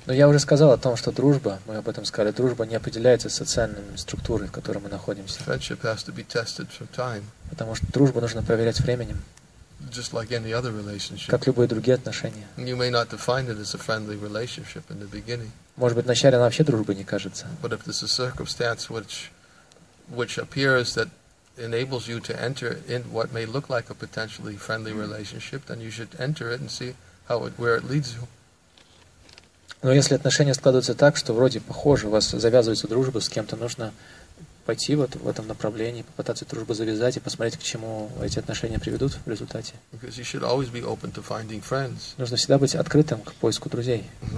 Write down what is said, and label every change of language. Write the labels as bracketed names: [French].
[Russian] Но я уже сказал о том, что дружба, мы об этом сказали, дружба не определяется социальной структурой, в которой мы находимся. [English] Friendship has to be tested from time. [Russian] Потому что дружбу нужно проверять временем. [English] Just like any other relationship. [Russian] Как любые другие отношения. [English] You may not define it as a friendly relationship in the beginning. [Russian] Может быть, вначале она вообще дружбой не кажется. [English] But if there's a circumstance which appears that enables you to enter in what may look like a potentially friendly relationship, then you should enter it and see where it leads you. [Russian] Но если отношения складываются так, что вроде похоже, у вас завязывается дружба с кем-то, нужно пойти вот в этом направлении, попытаться дружбу завязать и посмотреть, к чему эти отношения приведут в результате. [English] Because you should always be open to finding friends. [Russian] Нужно всегда быть открытым к поиску друзей.